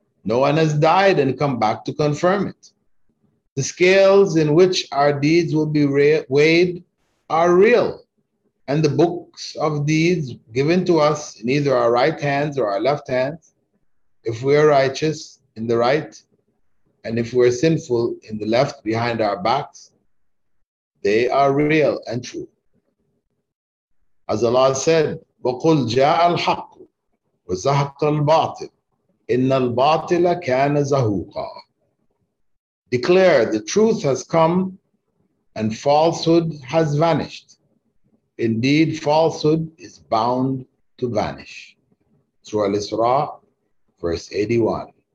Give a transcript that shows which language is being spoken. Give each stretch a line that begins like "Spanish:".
English: No one has died and come back to confirm it. The scales in which our deeds will be weighed are real, and the books of deeds given to us in either our right hands or our left hands, if we are righteous in the right, and if we are sinful in the left behind our backs, they are real and true. As Allah said,
Arabic: وَقُلْ جَاءَ الْحَقُّ وَزَهَقَ الْبَاطِلُ إِنَّ الْبَاطِلَ كَانَ زَهُوقًا.
English: Declare, the truth has come and falsehood has vanished. Indeed, falsehood is bound to vanish. Surah Al-Isra, verse 81.